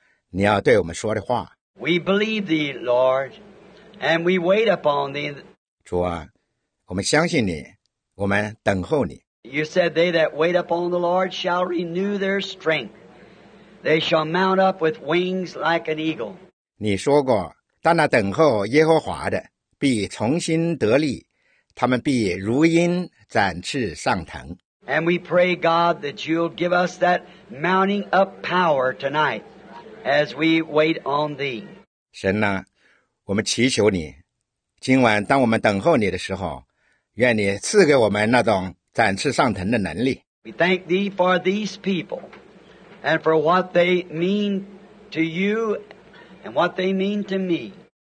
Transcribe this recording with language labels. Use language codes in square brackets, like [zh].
[zh] 我们依靠你来给我们信息和告诉我们今天晚上你要对我们说的话。 [en] We believe thee, Lord. And we wait upon thee. [zh] 主啊, 我们相信你, 我们等候你。 [en] You said they that wait upon the Lord shall renew their strength. They shall mount up with wings like an eagle. [zh] 你说过, 当那等候耶和华的必重新得力, 他们必如鹰展翅上腾。 [en] And we pray, God, that you'll give us that mounting up power tonight as we wait on thee. [zh] 神啊, 我们祈求你,今晚当我们等候你的时候,愿你赐给我们那种展翅上腾的能力。 [en] We thank thee for these people, and for what they mean to you, and what they mean to me.